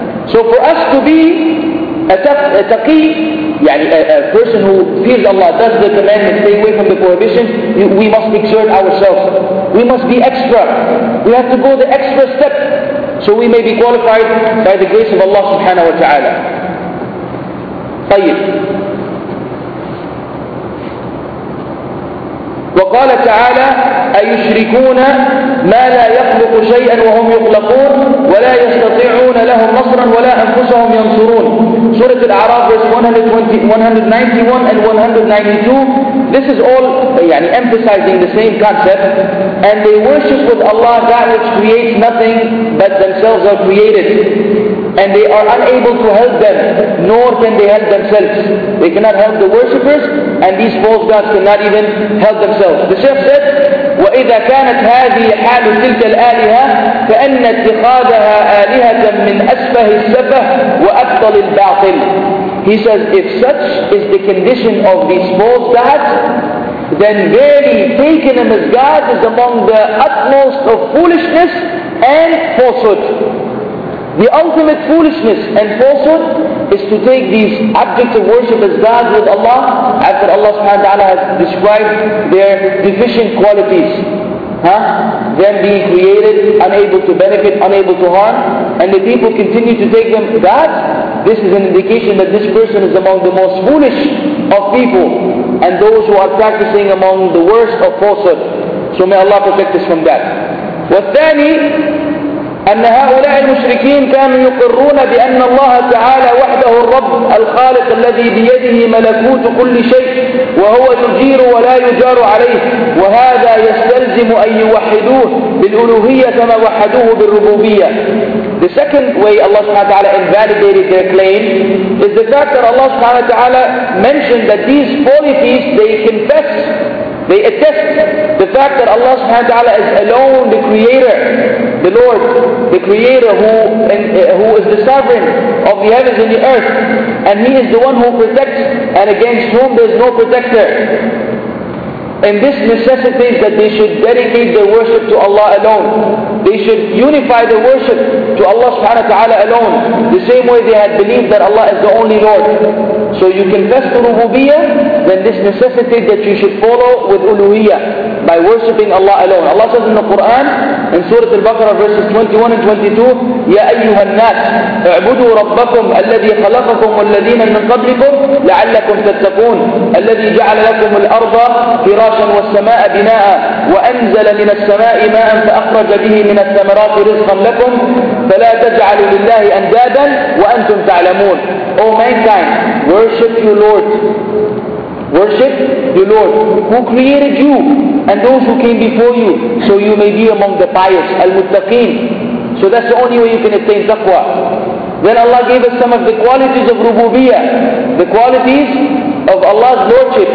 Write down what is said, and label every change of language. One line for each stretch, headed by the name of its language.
English: So for us to be a taqi, a person who fears Allah, does the commandments, stay away from the prohibition, we must exert ourselves. We must be extra. We have to go the extra step so we may be qualified by the grace of Allah subhanahu wa ta'ala.
Arabic: طيب وقال تعالى أيشركون ما لا يخلق شيئا وهم يخلقون ولا يستطيعون لهم نصرا ولا أنفسهم ينصرون. سورة الأعراف 191
English: and 192. This is all emphasizing the same concept, and they worship with Allah that which creates nothing, but themselves are created, and they are unable to help them, nor can they help themselves. They cannot help the worshippers, and these false gods cannot even help themselves. The Shaykh said,
Arabic: وَإِذَا كَانَتْ هَذِي حَالُ تِلْكَ الْآلِهَةِ فَأَنَّ اتِّخَاذَهَا آلِهَةً مِّنْ أَسْفَهِ السَّفَهِ وَأَبْطَلِ الْبَاطِلِ.
English: He says, if such is the condition of these false gods, then verily taking them as gods is among the utmost of foolishness and falsehood. The ultimate foolishness and falsehood is to take these objects of worship as gods with Allah after Allah subhanahu wa ta'ala has described their deficient qualities. Them being created, unable to benefit, unable to harm, and the people continue to take them gods. This is an indication that this person is among the most foolish of people and those who are practicing among the worst of falsehood. So may Allah protect us from that.
Arabic: والثاني أن هؤلاء المشركين كانوا يقرون بأن الله تعالى وحده الرب الخالق الذي بيده ملكوت كل شيء وهو يجير ولا يجار عليه، وهذا يستلزم أن يوحدوه بالألوهية كما وحدوه بالربوبية.
English: The second way Allah subhanahu wa ta'ala invalidated their claim is the fact that Allah subhanahu wa ta'ala mentioned that these polytheists, they confess, they attest the fact that Allah subhanahu wa ta'ala is alone the creator, the Lord, the creator who is the sovereign of the heavens and the earth, and He is the one who protects and against whom there is no protector. And this necessitates that they should dedicate their worship to Allah alone. They should unify their worship to Allah subhanahu wa ta'ala alone, the same way they had believed that Allah is the only Lord. So you confess to rububiyyah, then this necessitates that you should follow with uluhiyyah by worshipping Allah alone. Allah says in the Quran, in Surah Al-Baqarah verses 21 and 22,
Arabic: يَا أَيُّهَا النَّاسِ اعْبُدُوا رَبَّكُمْ الَّذِي خَلَقَكُمْ وَالَّذِينَ مِنْ قَبْلِكُمْ لَعَلَّكُمْ تَتَّقُونَ الَّذِي جَعَلَ لَكُمُ الْأَرْضَ فِرَاشًا وَالسَّمَاءَ بِنَاءً وَأَنْزَلَ مِنَ السَّمَاءِ مَاءً فَأَخْرَجَ بِهِ مِنَ الثَّمَرَاتِ رِزْقًا لَكُمْ فَلَا تَجْعَلُوا لِلَّهِ أَنْدَادًا وَأَنْتُمْ تَعْلَمُونَ.
English: O mankind, worship your Lord. Worship the Lord who created you and those who came before you, so you may be among the pious, al-muttaqeen. So that's the only way you can attain taqwa. Then Allah gave us some of the qualities of rububiyyah, the qualities of Allah's lordship.